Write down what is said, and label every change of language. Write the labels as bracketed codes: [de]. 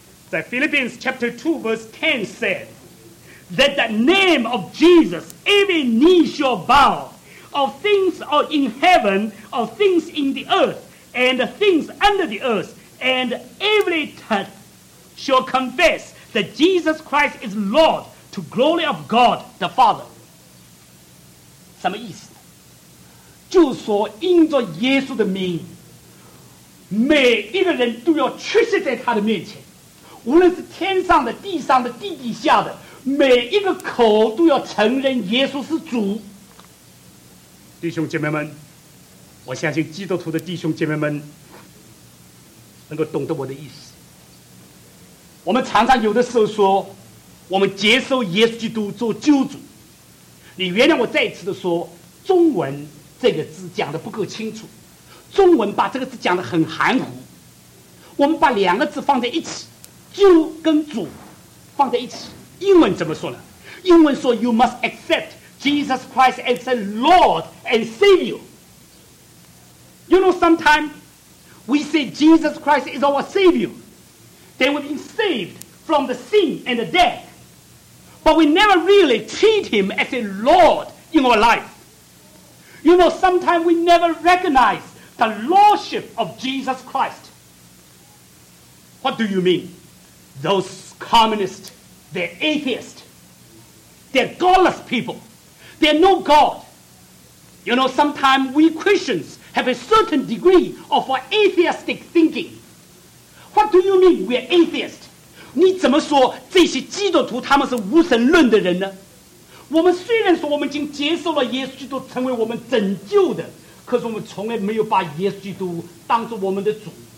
[zh] 在 [en] Philippians chapter 2 verse 10 said that the name of Jesus every knee shall bow of things in heaven, of things in the earth and things under the earth, and every tongue shall confess that Jesus Christ is Lord, to glory of God the Father. [zh] 什么意思？就说因着耶稣的名，每一个人都要屈膝在他的面前，无论是天上的、地上的、地底下的，每一个口都要承认耶稣是主。弟兄姐妹们，我相信基督徒的弟兄姐妹们能够懂得我的意思。我们常常有的时候说，我们接受耶稣基督做救主。你原谅我再一次的说，中文这个字讲得不够清楚，中文把这个字讲得很含糊，我们把两个字放在一起，就跟主放在一起，英文怎么说呢？英文说 [en] You must accept Jesus Christ as a Lord and Savior. You know, sometimes we say Jesus Christ is our Savior. They will be saved from the sin and the death. But we never really treat him as a Lord in our life. You know, sometimes we never recognize the Lordship of Jesus Christ. What do you mean? Those communists, they're atheists. They're godless people. They're no God. You know, sometimes we Christians have a certain degree of our atheistic thinking. What do you mean we're atheists? [zh] 你怎么说这些基督徒他们是无神论的人呢？我们虽然说我们已经接受了耶稣基督成为我们拯救的，可是我们从来没有把耶稣基督当作我们的主。